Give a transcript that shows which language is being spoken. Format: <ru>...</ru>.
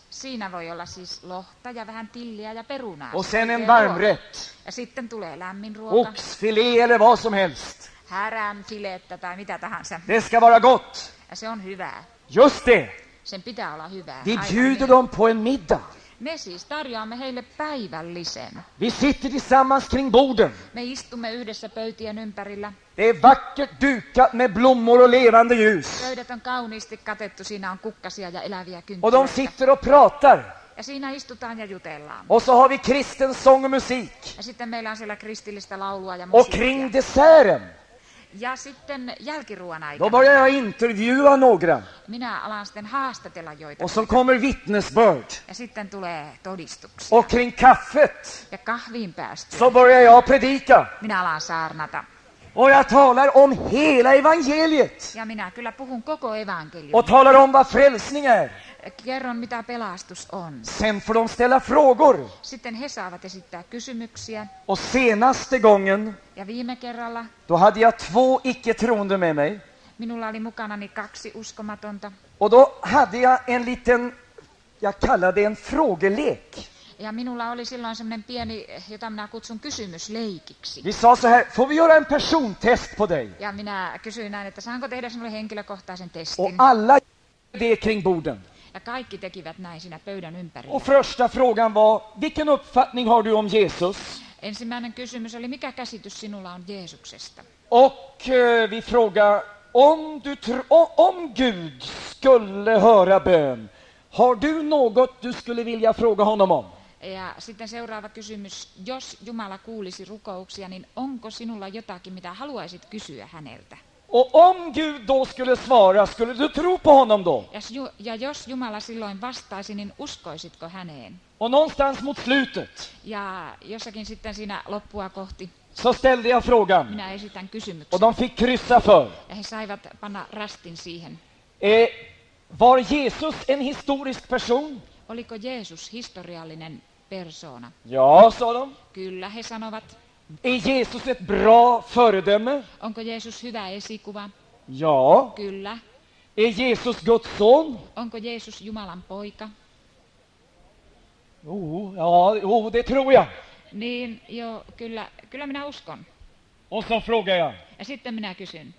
<fi>Siinä voi olla siis lohta ja vähän tilliä ja perunaa.</fi> <sv>Och sen en varmrätt.</sv> <fi>Ja sitten tulee lämmin ruoka.</fi> <sv>Oxfilé eller vad som helst.</sv> <fi>Häränfilettä tai mitä tahansa.</fi> <sv>Det ska vara gott.</sv> <fi>Ja se on hyvää.</fi> <sv>Just det.</sv> <fi>Sen pitää olla hyvää.</fi> <sv>Vi bjuder dem på en middag.</sv> <fi>Me siis tarjoamme heille päivällisen.</fi> <sv>Vi sitter tillsammans kring borden.</sv> <fi>Me istumme yhdessä pöytien ympärillä.</fi> <sv>Det är vackert dukat med blommor och levande ljus.</sv> <fi>Pöydät on kauniisti katettu, siinä on kukkasia ja eläviä kynttilöitä.</fi> <sv>Och de sitter och pratar.</sv> <fi>Ja siinä istutaan ja jutellaan.</fi> <sv>Och så har vi kristen sång och musik.</sv> <fi>Ja sitten meillä on siellä kristillistä laulua ja musiikkia.</fi> <sv>Och kring desserten.</sv> <fi>Ja sitten jälkiruoan aikana.</fi> <sv>Då börjar jag intervjua några.</sv> <fi>Minä alan sitten haastatella joita.</fi> <sv>Och så kommer vittnesbörd.</sv> <fi>Ja sitten tulee todistuksia.</fi> <sv>Och kring kaffet.</sv> <fi>Ja kahviin päästyä.</fi> <sv>Så börjar jag predika.</sv> <fi>Minä alan saarnata.</fi> <sv>Och jag talar om hela evangeliet.</sv> <fi>Ja minä kyllä puhun koko evankeliumia.</fi> <sv>Och talar om vad frälsning är.</sv> <fi>Kerron, mitä pelastus on.</fi> <sv>Sen får de ställa frågor.</sv> <fi>Sitten he saavat esittää kysymyksiä.</fi> <sv>Och senaste gången.</sv> <fi>Ja viime kerralla.</fi> <sv>Då hade jag två icke-troende med mig.</sv> <fi>Minulla oli mukanani kaksi uskomatonta.</fi> <sv>Och då hade jag en liten, jag kallade en frågelek.</sv> <fi>Ja minulla oli silloin semmoinen pieni, jota minä kutsun kysymysleikiksi.</fi> <sv>Vi sa så här, får vi göra en persontest på dig?</sv> <fi>Ja minä kysyin näin, että saanko tehdä sinulle henkilökohtaisen testin.</fi> <sv>Och alla det kring borden.</sv> <fi>Ja kaikki tekivät näin siinä pöydän ympärillä.</fi> <sv>Och första frågan var, vilken uppfattning har du om Jesus?</sv> <fi>Ensimmäinen kysymys oli, mikä käsitys sinulla on Jeesuksesta?</fi> <sv>Och vi frågar, om Gud skulle höra bön, har du något du skulle vilja fråga honom om?</sv> <fi>Ja sitten seuraava kysymys, jos Jumala kuulisi rukouksia, niin onko sinulla jotakin, mitä haluaisit kysyä häneltä?</fi> <sv>Och om Gud då skulle svara, skulle du tro på honom då?</sv> <fi>Ja jos Jumala silloin vastaisi, niin uskoisitko häneen?</fi> <sv>Och någonstans mot slutet.</sv> <fi>Ja jossakin sitten siinä loppua kohti.</fi> <sv>Så ställde jag frågan.</sv> <fi>Minä esitän kysymyksen.</fi> <sv>Och de fick kryssa för.</sv> <fi>Ja he saivat panna rastin siihen.</fi> <sv>Var Jesus en historisk person?</sv> <fi>Oliko Jeesus historiallinen persona?</fi> <sv>Ja, sa de.</sv> <fi>Kyllä, he sanovat.</fi> <sv>Är Jesus ett bra föredöme?</sv> <fi>Onko Jeesus hyvä esikuva?</fi> <sv>Ja.</sv> <fi>Kyllä.</fi> <sv>Är Jesus Guds son?</sv> <fi>Onko Jeesus Jumalan poika?</fi> <sv>Joo, det tror jag.</sv> <fi>Niin, joo, kyllä minä uskon.</fi> <sv>Och så frågar jag.</sv> <fi>Ja sitten minä kysyn.</fi>